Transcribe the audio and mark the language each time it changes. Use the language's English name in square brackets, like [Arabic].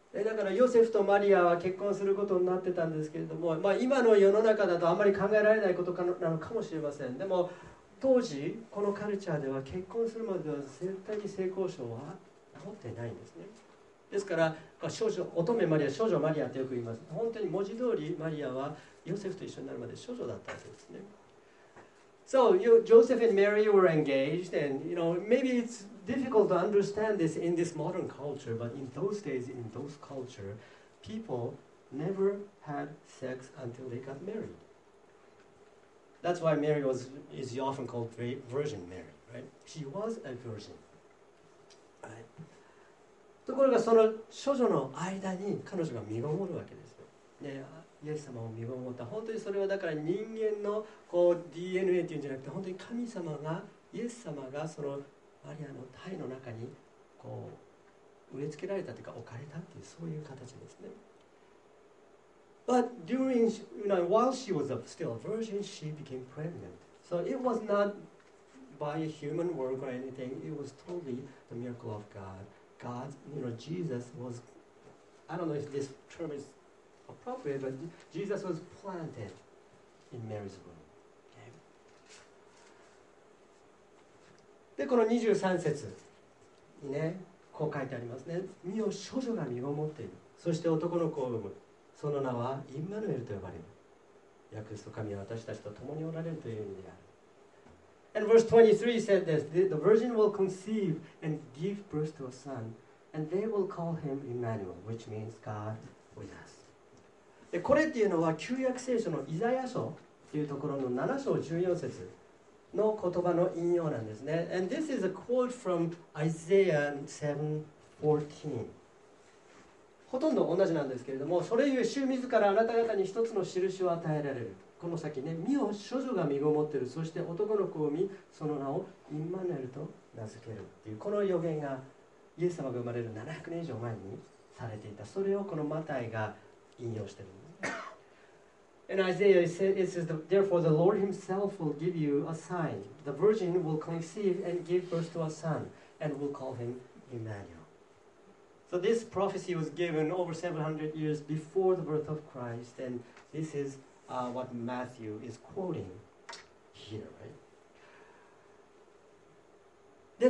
[Japanese] だからヨセフとマリアは結婚することになってたんですけれども、まあ、今の世の中だとあんまり考えられないことなのかもしれません。でも当時このカルチャーでは結婚するまでは絶対に性交渉は持ってないんですね。ですから少女乙女マリア、少女マリアってよく言います。本当に文字通りマリアはヨセフと一緒になるまで少女だったわけですね。 [English] So you, Joseph and Mary were engaged, and you know, maybe it's difficult to understand this in this modern culture, but in those days, in those culture, people never had sex until they got married. That's why Mary was, is often called Virgin Mary, right? She was a virgin. [Japanese] ところがその処女の間に彼女が身ごもるわけですよ。イエス様を身ごもった。本当にそれはだから人間のこう DNA というんじゃなくて、本当に神様が、イエス様がそのマリアの胎の中にこう植え付けられたというか置かれたという、そういう形ですね。 [English] But during, you know, while she was still a virgin, she became pregnant. So it was not by a human work or anything. It was totally the miracle of God. God, you know, Jesus was, I don't know if this term is appropriate, but Jesus was planted in Mary's womb. [Japanese] で、この23節にね、こう書いてありますね。身を処女が身ごもっている。そして男の子を産む。その名はインマヌエルと呼ばれる。訳すと神は私たちと共におられるという意味である。 [English] And verse 23 said this, the virgin will conceive and give birth to a son, and they will call him Emmanuel, which means God with us. [Japanese] で、これっていうのは旧約聖書のイザヤ書っていうところの7章14節。の言葉の引用なんですね。 [English] And this is a quote from Isaiah 7:14. [Japanese] ほとんど同じなんですけれども、それゆえ主自らあなた方に一つの印を与えられる。この先ね、身を処女が身ごもっている、そして男の子を産み、その名をインマヌエルと名付けるっていう、この予言がイエス様が生まれる700年以上前にされていた。それをこのマタイが引用してるんです。 [English] And Isaiah said, it says, therefore the Lord himself will give you a sign. The virgin will conceive and give birth to a son, and will call him Emmanuel. So this prophecy was given over 700 years before the birth of Christ, and this is what Matthew is quoting here, right?